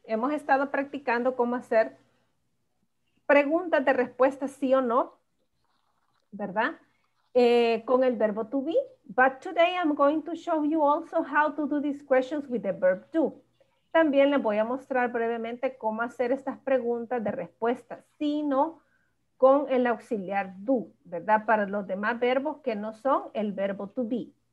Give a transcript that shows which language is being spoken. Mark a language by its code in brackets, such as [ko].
[es] Hemos estado practicando cómo hacer preguntas de respuesta sí o no, ¿verdad? Con el verbo to be. [en] But today I'm going to show you also how to do these questions with the verb to. [es] También les voy a mostrar brevemente cómo hacer estas preguntas de respuesta sí o no con el auxiliar do, ¿verdad? Para los demás verbos que no son el verbo to be.